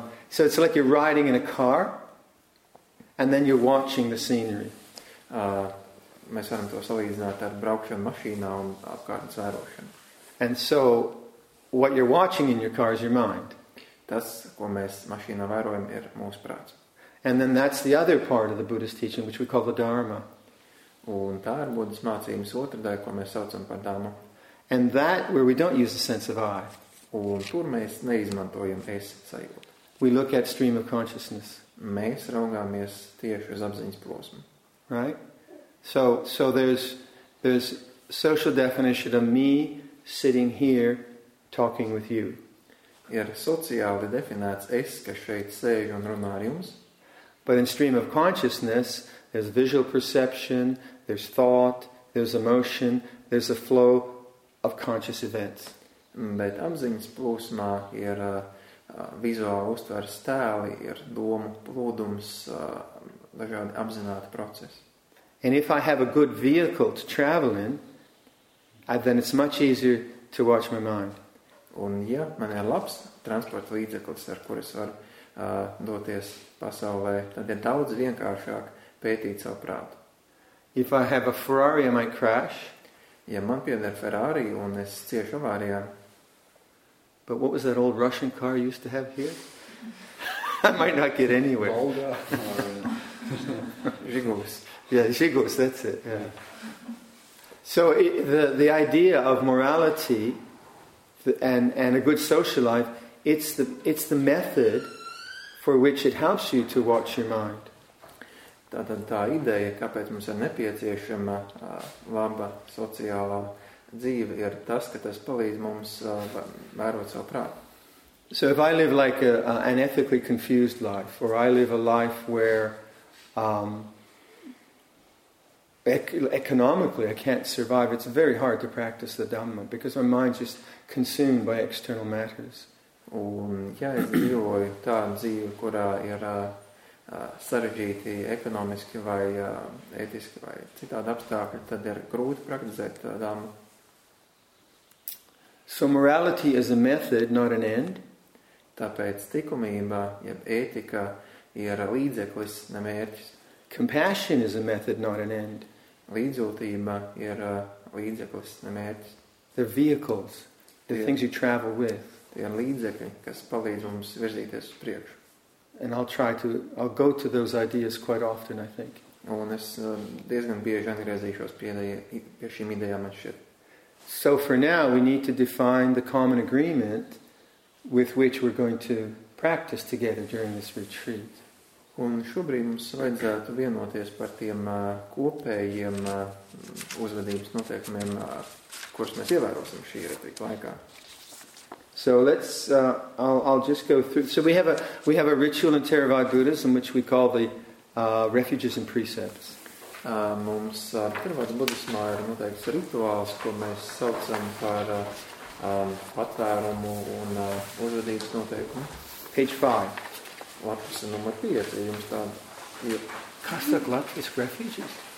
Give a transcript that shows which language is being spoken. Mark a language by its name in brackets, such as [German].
[English] So it's like you're riding in a car and then you're watching the scenery. [Latvian] Mēs varam to salīdzināt ar braukšanu mašīnā un apkārtnes vērošanu. [English] And so what you're watching in your car is your mind. [Latvian] Tas, ko mēs mašīnā vērojam, ir mūsu prāts. [English] And then that's the other part of the Buddhist teaching, which we call the Dharma. [Latvian] Un tā ir Buddhas mācījums otra daļa, ko mēs saucam par Dhammu. [English] And that, where we don't use the sense of I. [Latvian] Un tur mēs neizmantojam es sajūtu. [English] We look at stream of consciousness. [Latvian] Mēs raugāmies tieši uz apziņas plosmu. [English] Right? So there's social definition of me sitting here talking with you. [Latvian] Ir sociāli definēts es, kas šeit sēž un runā ar jums. [English] But in stream of consciousness, there's visual perception, there's thought, there's emotion, there's a flow of conscious events. [Latvian] Bet apziņas plūsmā ir vizuāli uztvērs stēli, ir domu plūdums, dažādi apzināti procesi. [English] And if I have a good vehicle to travel in, then it's much easier to watch my mind. [Latvian] Un ja man ir labs transporta līdzeklis, ar kur es varu doties pasaulē, tad ir daudz vienkāršāk pētīt savu prātu. [English] If I have a Ferrari, I might crash. [Latvian] Ja man pieder Ferrari un es ciešu avārijā. [English] But what was that old Russian car used to have here? I might not get anywhere. [Latvian] Volga. Žigulis. [English] Yeah, Žigulis, that's it. Yeah. So the idea of morality and a good social life, it's the method for which it helps you to watch your mind. [Latvian] Tātad tā ideja, kāpēc mums ir nepieciešama laba sociālā dzīve, ir tas, ka tas palīdz mums vērot savu prātu. [English] So if I live like an ethically confused life, or I live a life where economically I can't survive, it's very hard to practice the Dhamma, because my mind's just consumed by external matters. [Latvian] Un ja es dzīvoju tādu dzīvi, kurā ir sarežģīti ekonomiski vai ētiski vai citādi apstākļi, tad ir grūti praktizēt Dhammu. [English] So morality is a method, not an end. [Latvian] Tāpēc tikumība, jeb ētika, ir līdzeklis, ne mērķis. [English] Compassion is a method, not an end. [Latvian] Līdzjūtība ir līdzeklis, ne mērķis. [English] They're vehicles, the things you travel with. [Latvian] Tie ir līdzekļi, kas palīdz mums virzīties uz priekšu. [English] And I'll go to those ideas quite often, I think. [Latvian] Un es diezgan bieži atgriezīšos pie šīm idejām atšķiet. [English] So for now, we need to define the common agreement with which we're going to practice together during this retreat. [Latvian] Un šobrīd mums vajadzētu vienoties par tiem kopējiem uzvedības noteikumiem, kurus mēs ievērosim šī retrīta laikā. [English] So let's I'll just go through. So we have a ritual in Theravada Buddhism which we call the refuges and precepts. [Latvian] Mums Theravada Buddhismā ir noteikts rituāls, ko mēs saucam par patvērumu un uzvedības noteikumu. [English] Page 5. [Latvian] Lapas numur 5, jums tāda ir. Kā saka Latvijas refuģis?